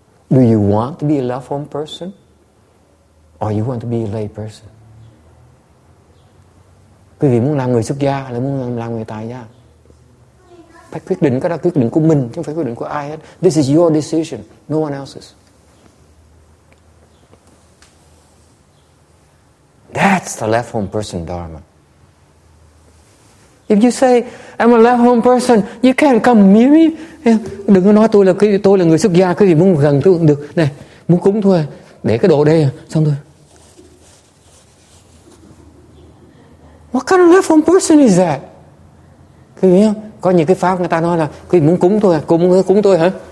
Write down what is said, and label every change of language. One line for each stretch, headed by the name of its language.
English: Do you want to be a loved home person? Or you want to be a lay person?
Vietnamese: Quý vị muốn làm người xuất gia hay muốn làm người tài gia? Phải quyết định, cái đó quyết định của mình, chứ không phải quyết định của ai hết.
English: This is your decision, no one else's. That's the left home person dharma. If you say, I'm a left home person, you can't come near me.
Vietnamese: Đừng có nói tôi là người xuất gia, cái gì muốn gần tôi cũng được. Này, muốn cúng thôi, để cái đồ đây, xong thôi.
English: What kind of left home person is that?
Vietnamese: Cái gì không? Có những cái pháp người ta nói là quý vị muốn cúng tôi, cúng tôi hả?